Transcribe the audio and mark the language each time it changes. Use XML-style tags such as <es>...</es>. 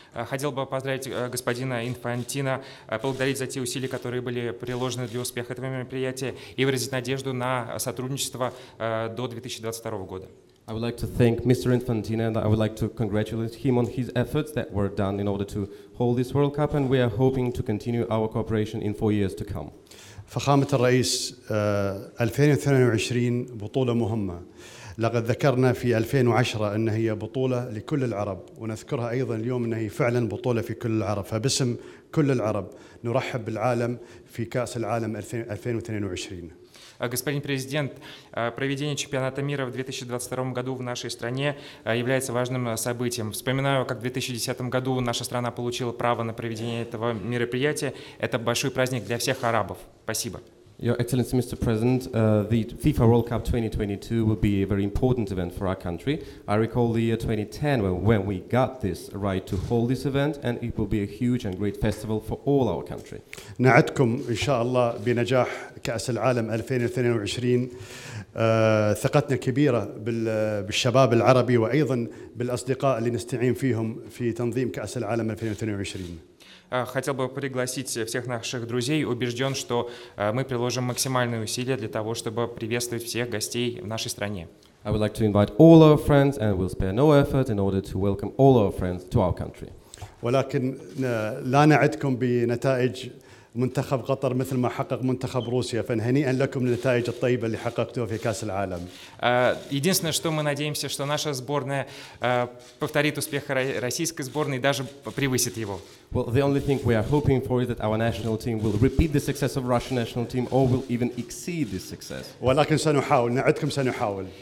<ru>Хотел бы поздравить господина Инфантино, поблагодарить за те усилия, которые были приложены для успеха этого мероприятия, и выразить надежду на сотрудничество до 2022 года.</ru> <en>I would like to thank Mr. Infantino and I would like to congratulate him on his efforts that were done in order to hold this World Cup, and we are hoping to continue our cooperation in 4 years to come.</en> <ar>فخامة الرئيس 2022 بطولة مهمة. لقد ذكرنا في 2010 أن هي بطولة لكل العرب، ونذكرها أيضا اليوم أن هي فعلا بطولة في كل العرب. فباسم كل العرب نرحب بالعالم في كأس العالم 2022.</ar> <ru>Господин президент, проведение чемпионата мира в 2022 году в нашей стране является важным событием. Вспоминаю, как в 2010 году наша страна получила право на проведение этого мероприятия. Это большой праздник для всех арабов. Спасибо.</ru> <en>Your Excellency, Mr. President, the FIFA World Cup 2022 will be a very important event for our country. I recall the year 2010 when we got this right to hold this event, and it will be a huge and great festival for all our country.</en> <ar>نعدكم إن شاء الله بنجاح كأس العالم 2022. ثقتنا كبيرة بالشباب العربي وأيضا بالأصدقاء اللي نستعين فيهم في تنظيم كأس العالم 2022.</ar> <ru>Хотел бы пригласить всех наших друзей, убежден, что мы приложим максимальные усилия для того, чтобы приветствовать всех гостей в нашей стране.</ru> <en>I would like to invite all our friends and will spare no effort in order to welcome all our friends to our country.</en> <ar>ولكن لا نعدكم بنتائج منتخب قطر مثل ما حقق منتخب روسيا، فهنيئا لكم للنتائج الطيبة اللي حققتوها في كأس العالم.</ar> <ru>Единственное, что мы надеемся, что наша сборная повторит успех российской сборной и даже превысит его.</ru> <en>Well, the only thing we are hoping for is that our national team will repeat the success of Russian national team or will even exceed this success.</en> <ar>ولكن سنحاول، نعدكم سنحاول.</ar>